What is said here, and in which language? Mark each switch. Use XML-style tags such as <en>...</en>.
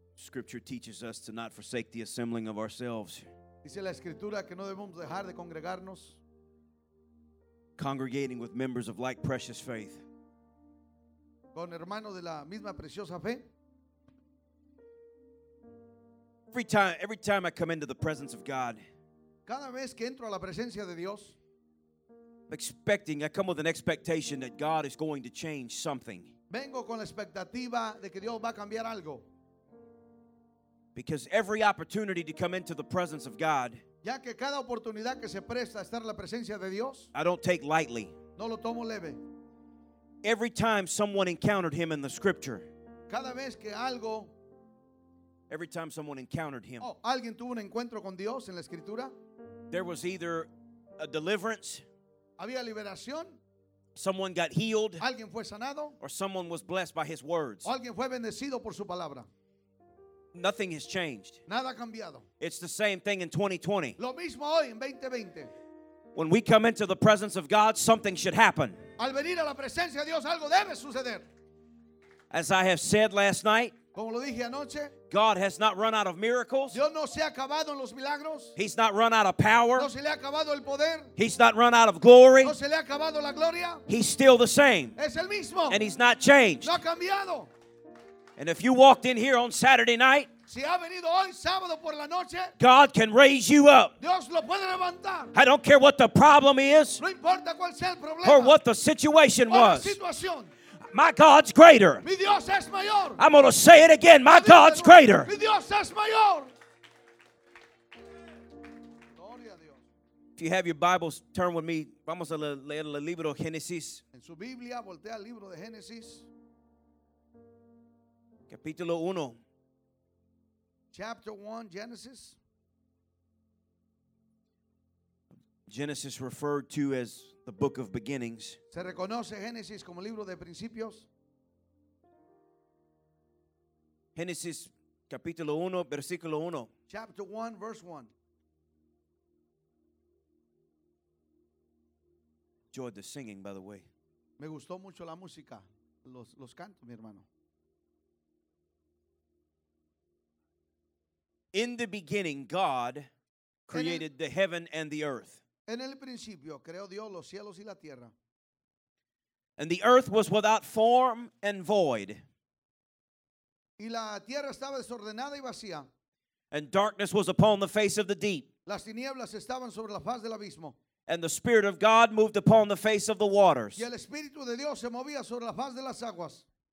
<en>Scripture teaches us to not forsake the assembling of ourselves.</en> <es>Dice la escritura que no debemos dejar de congregarnos.</es> <en>Congregating with members of like precious faith.</en> <es>Con hermanos de la misma preciosa fe.</es> <en>Every time I come into the presence of God,</en> <es>cada vez que entro a la presencia de Dios,</es> <en>I come with an expectation that God is going to change something.</en> <es>Vengo con la expectativa de que Dios va a cambiar algo.</es> <en>Because every opportunity to come into the presence of God,</en> <es>ya que cada oportunidad que se presta a estar en la presencia de Dios,</es> <en>I don't take lightly.</en> <es>No lo tomo leve.</es> <en>Every time someone encountered him in the scripture,</en> <es>cada vez que algo,</es> <en>every time someone encountered him,</en> <es>oh, alguien tuvo un encuentro con Dios en la escritura,</es> <en>there was either a deliverance,</en> <es>había liberación,</es> <en>someone got healed,</en> <es>alguien fue sanado,</es> <en>or someone was blessed by his words,</en> <es>o alguien fue bendecido por su palabra.</es> <en>Nothing has changed.</en> <es>Nada ha cambiado.</es> <en>It's the same thing in 2020.</en> <es>Lo mismo hoy en 2020.</es> <en>When we come into the presence of God, something should happen.</en> <es>Al venir a la presencia de Dios, algo debe suceder.</es> <en>As I have said last night,</en> <es>como lo dije anoche,</es> <en>God has not run out of miracles.</en> <es>Dios no se ha acabado en los milagros.</es> <en>He's not run out of power.</en> <es>No se le ha acabado el poder.</es> <en>He's not run out of glory.</en> <es>No se le ha acabado la gloria.</es> <en>He's still the same.</en> <es>Es el mismo.</es> <en>And he's not changed.</en> <es>No ha cambiado.</es> <en>And if you walked in here on Saturday night,</en> <es>si ha venido hoy, sábado por la noche,</es> <en>God can raise you up.</en> <es>Dios lo puede levantar.</es> <en>I don't care what the problem is,</en> <es>no importa cuál sea el problema,</es> <en>or what the situation</en> <es>o</es> <en>was.</en> <es>La situación.</es> <en>My God's greater.</en> <es>Mi Dios es mayor.</es> <en>I'm going to say it again. My God's greater.</en> <es>Mi Dios es mayor.</es> <en>If you have your Bibles, turn with me.</en> <es>Vamos a leer el libro de Génesis. En su Biblia, voltea al libro de Génesis. Capítulo 1.</es> <en>Chapter 1, Genesis. Genesis referred to as the book of beginnings.</en> <es>Se reconoce Génesis como libro de principios. Génesis, capítulo 1, versículo 1.</es> <en>Chapter 1, verse 1. Enjoyed the singing, by the way.</en> <es>Me gustó mucho la música, los cantos, mi hermano.</es> <en>In the beginning, God created the heaven and the earth.</en> <es>En el principio, creó Dios los cielos y la tierra.</es> <en>And the earth was without form and void.</en> <es>Y la tierra estaba desordenada y vacía.</es> <en>And darkness was upon the face of the deep.</en> <es>Las tinieblas estaban sobre la faz del abismo.</es> <en>And the Spirit of God moved upon the face of the waters.</en> <es>Y el Espíritu de Dios se movía sobre la faz de las aguas.</es>